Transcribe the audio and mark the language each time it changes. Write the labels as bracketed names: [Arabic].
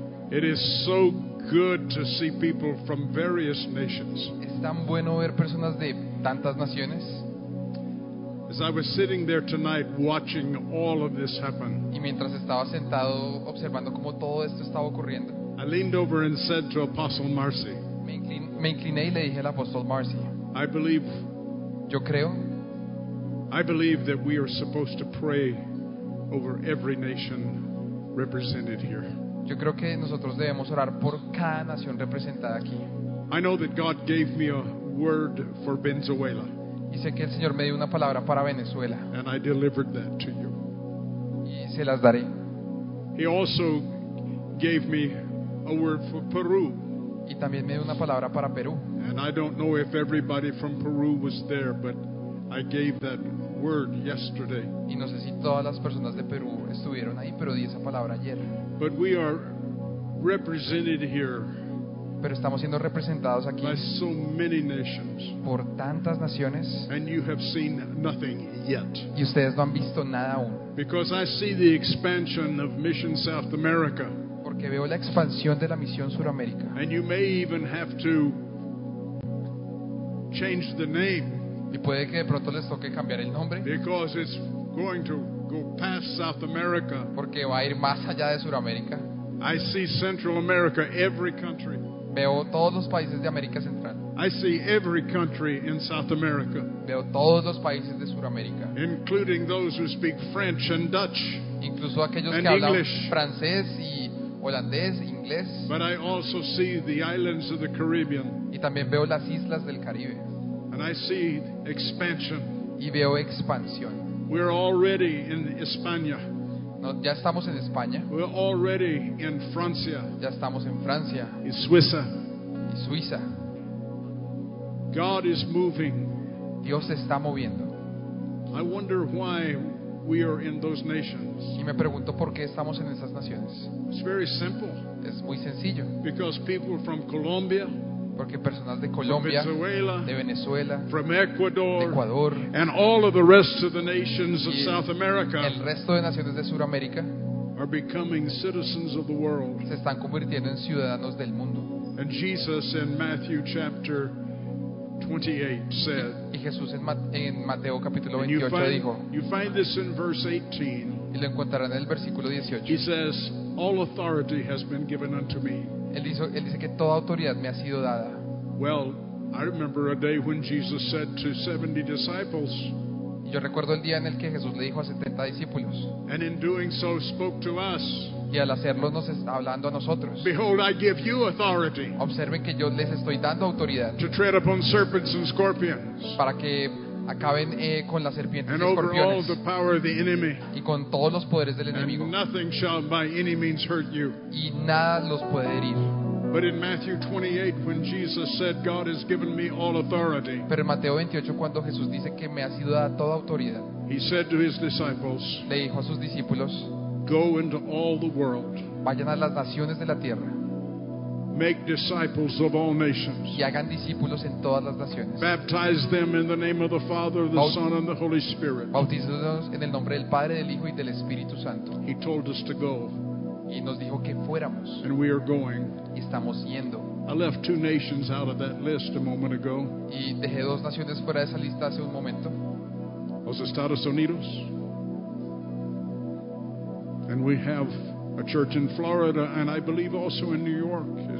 [English] It is so good to see people from various nations. [Spanish] Es tan bueno ver personas de tantas naciones. [English] As I was sitting there tonight watching all of this happen. [Spanish] Y mientras estaba sentado observando cómo todo esto estaba ocurriendo. [English] I leaned over and said to Apostle Marcy. [Spanish] Me incliné y le dije al apóstol Marcy. [English] I believe that we are supposed to pray over every nation represented here. [Spanish] Yo creo que nosotros debemos orar por cada nación representada aquí. [English] I know that God gave me a word for Venezuela. [Spanish] Y sé que el Señor me dio una palabra para Venezuela. [English] And I delivered that to you. [Spanish] Y se las daré. [English] He also gave me a word for Peru. [Spanish] Y también me dio una palabra para Perú. [English] And I don't know if everybody from Peru was there, but I gave that word yesterday. [Spanish] Y no sé si todas las personas de Perú estuvieron ahí, pero di esa palabra ayer. [English] But we are represented here. [Spanish] Pero estamos siendo representados aquí. [English] By so many nations. [Spanish] Por tantas naciones. [English] And you have seen nothing yet. [Spanish] Y ustedes no han visto nada aún. [English] Because I see the expansion of Mission South America. [Spanish] Porque veo la expansión de la misión Suramérica. [English] And you may even have to change the name. [Spanish] Y puede que de pronto les toque cambiar el nombre. [English] Because it's going to go past South America. [Spanish] Porque va a ir más allá de Suramérica. [English] I see Central America, every country. [Spanish] Veo todos los países de América Central. [English] I see every country in South America. [Spanish] Veo todos los países de Suramérica. [English] Including those who speak French and Dutch. [Spanish] Incluso aquellos que hablan francés y holandés, inglés. [English] But I also see the islands of the Caribbean. [Spanish] Y también veo las islas del Caribe. [English] And I see expansion. [Spanish] Y veo expansión. [English] We're already in España. [Spanish] No, ya estamos en España. [English] We're already in Francia. [Spanish] Ya estamos en Francia. Y Suiza. Y Suiza. [English] God is moving. [Spanish] Dios está moviendo. [English] I wonder why we are in those nations. [Spanish] Y me pregunto por qué estamos en esas naciones. [English] It's very simple. [Spanish] Es muy sencillo. [English] Because people from Colombia. [Spanish] Porque personas de Colombia, [English] Venezuela, [Spanish] de Venezuela, [English] from Ecuador, [Spanish] de Ecuador, [English] and all of the rest of the nations of South America, [Spanish] el resto de naciones de Sudamérica, [English] are becoming citizens of the world. [Spanish] Se están convirtiendo en ciudadanos del mundo. [English] And Jesus in Matthew chapter 28 said. [Spanish] Y Jesús en Mateo capítulo 28 dijo. [English] You find this in verse 18. [Spanish] Y lo encontrarán en el versículo 18. [English] He says, all authority has been given unto me. [Spanish] Él dice que toda autoridad me ha sido dada. [English] Well, I remember a day when Jesus said to 70 disciples. [Spanish] Yo recuerdo el día en el que Jesús le dijo a 70 discípulos. [English] And in doing so, spoke to us. [Spanish] Y al hacerlo nos está hablando a nosotros. [English] Behold, I give you authority. [Spanish] Observen que yo les estoy dando autoridad. [English] To tread upon serpents and scorpions. [Spanish] Para que acaben con las serpientes [English] and [Spanish] y escorpiones. [English] Over all the power of the enemy. [Spanish] Y con todos los poderes del enemigo. [English] And nothing shall by any means hurt you. [Spanish] Y nada los puede herir. [English] But in Matthew 28, when Jesus said, "God has given me all authority." [Spanish] Pero en Mateo 28 cuando Jesús dice que me ha sido dada toda autoridad. [English] He said to his disciples. [Spanish] Le dijo a sus discípulos. [English] Go into all the world. [Spanish] Vayan a las naciones de la tierra. [English] Make disciples of all nations. [Spanish] Y hagan discípulos en todas las naciones. [English] Baptize them in the name of the Father, the Son, and the Holy Spirit. [Spanish] Bautízalos en el nombre del Padre, del Hijo y del Espíritu Santo. [English] He told us to go. [Spanish] Y nos dijo que fuéramos. [English] And we are going. [Spanish] Y estamos yendo. [English] I left two nations out of that list a moment ago. [Spanish] Y dejé dos naciones fuera de esa lista hace un momento. Los Estados Unidos. [English] And we have a church in Florida, and I believe also in New York.